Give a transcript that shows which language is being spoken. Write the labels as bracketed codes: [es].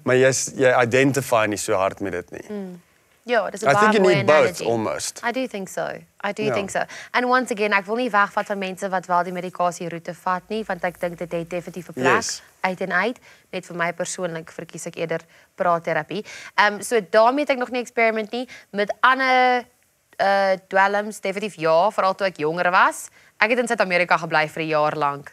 [af] Maar jy identify nie so hard met dit nie. Ja, dis 'n baie mooi analogy. [en] I think you need both almost. I do think so. I do think so. And once again, [af] ek wil nie wegvat van mense wat wel die medikasie roete vat nie, want ek dink dit het definitief 'n plek. [en] Yes. [af] Uit en uit. Net vir my persoonlik verkies ek eerder praatterapie. So daarmee het ek nog nie experiment nie met ander dwelms, definitief ja, vooral toe ek jonger was. Ek het in Suid-Amerika gebly vir 'n jaar lank.